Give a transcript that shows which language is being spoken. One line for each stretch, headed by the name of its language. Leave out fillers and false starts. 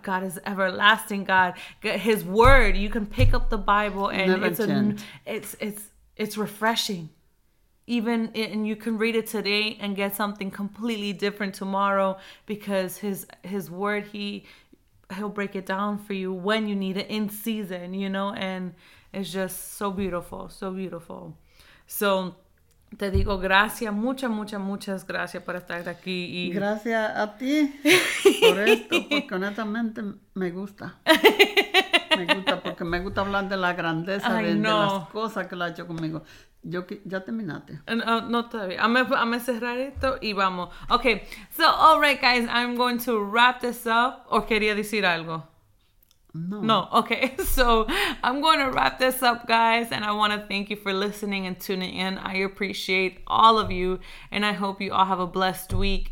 English: God is everlasting God. His word, you can pick up the Bible and it's refreshing. Even and you can read it today and get something completely different tomorrow because his word, he'll break it down for you when you need it in season, you know, and it's just so beautiful, so beautiful.
Spanish: So te digo gracias, muchas, muchas, muchas gracias por estar aquí. gracias a ti por esto, porque honestamente me gusta. Me gusta hablar de la grandeza de las cosas que lo ha hecho conmigo. ¿Ya terminaste? No, todavía. I'm cerrar esto y vamos.
English: Okay, so, all right, guys, I'm going to wrap this up.
Spanish: ¿O quería decir algo? No. No, okay.
English: So, I'm going to wrap this up, guys, and I want to thank you for listening and tuning in. I appreciate all of you, and I hope you all have a blessed week.